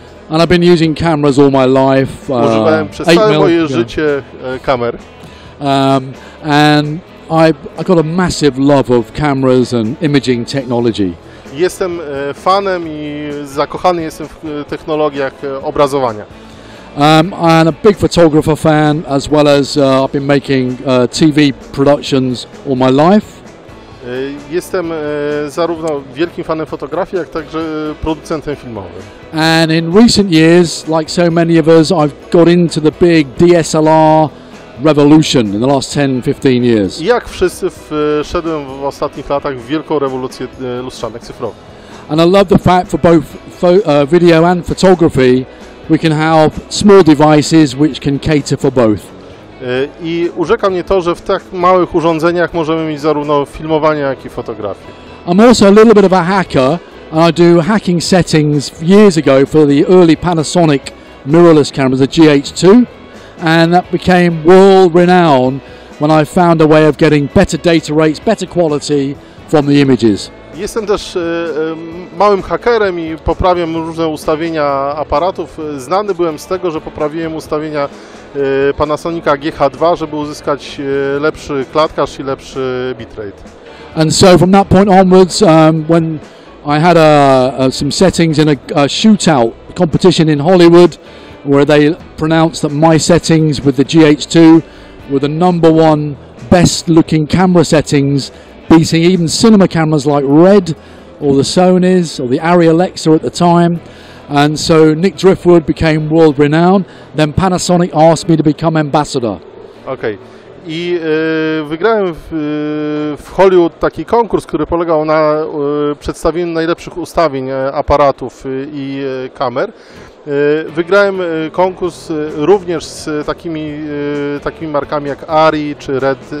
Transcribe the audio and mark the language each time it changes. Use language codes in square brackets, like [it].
[en] And I've been using cameras all my life. [pl] Używałem przez całe moje życie kamer. [en] And I got a massive love of cameras and imaging technology. [pl] Jestem fanem i zakochany jestem w technologiach obrazowania. [en] And a big photographer fan, as well as I've been making TV productions all my life. [pl] Jestem zarówno wielkim fanem fotografii, jak także producentem filmowym. [en] And in recent years, like so many of us, I've got into the big DSLR revolution in the last 10-15 years. [pl] Jak wszyscy wszedłem w ostatnich latach w wielką rewolucję lustrzanek cyfrowych. [en] And I love the fact for both video and photography, we can have small devices which can cater for both. [pl] I urzeka mnie to, że w tak małych urządzeniach możemy mieć zarówno filmowanie, jak i fotografię. [en] I'm also a little bit of a hacker, and I do hacking settings years ago for the early Panasonic mirrorless cameras, the GH2, and that became world renowned when I found a way of getting better data rates, better quality from the images. [pl] Jestem też małym hakerem i poprawiam różne ustawienia aparatów. Znany byłem z tego, że poprawiłem ustawienia Panasonica GH2, żeby uzyskać lepszy klatkaż i lepszy bitrate. [en] And so from that point onwards, when I had some settings in a shootout competition in Hollywood, where they pronounced that my settings with the GH2 were the number one best looking camera settings, beating even cinema cameras like Red or the Sony's or the Arri Alexa at the time. And so Nick Driftwood became world renowned, then Panasonic asked me to become ambassador. Okay. [pl] I wygrałem w Hollywood taki konkurs, który polegał na przedstawieniu najlepszych ustawień aparatów i kamer. Wygrałem konkurs również z takimi markami jak Arri czy Red.